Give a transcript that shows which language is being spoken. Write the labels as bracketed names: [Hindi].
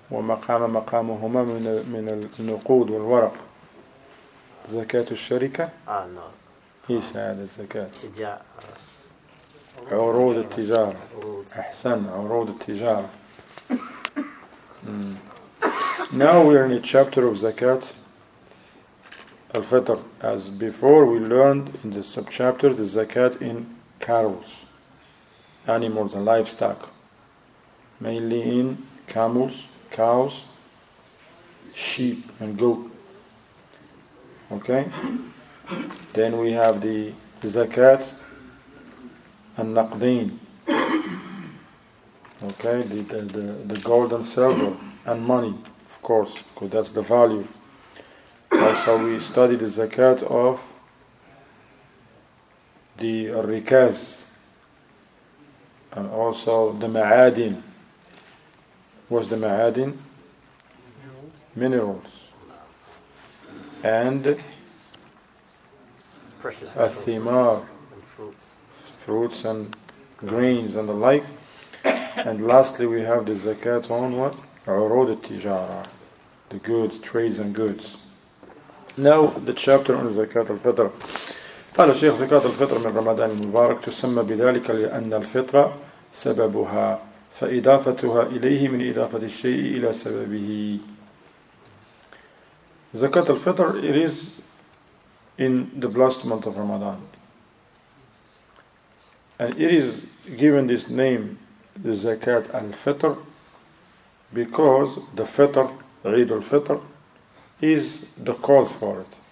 [Arabic] ومقام مقامهما من النقود والورق زكاة الشركة إيش هذا الزكاة عروض التجارة أحسن عروض التجارة [English] Now we're in a chapter of Zakat Al-Fitr. As before, we learned in the subchapter the Zakat in cattle, animals and livestock. Mainly in camels, cows, sheep and goat. Okay? Then we have the Zakat al-Naqdain. Okay? The gold and silver and money. Course, because that's the value. Also, we study the zakat of the rikaz and also the ma'adin. What's the ma'adin? Minerals. And precious [Arabic] athimar. [English] Fruits and grains and the like. And lastly, we have the zakat on what? Urud al-tijara. The goods, trades and goods. Now the chapter on Zakat al-Fitr. [Arabic] قال الشيخ زكاة الفطر من رمضان المبارك تسمى بذلك لأن الفطرة سببها فإضافتها إليه من إضافة الشيء إلى سببه. [English] زكاة الفطر, it is in the blessed month of Ramadan. And it is given this name, the Zakat al-Fitr, because the fitr, Eid al-Fitr, is the cause for it.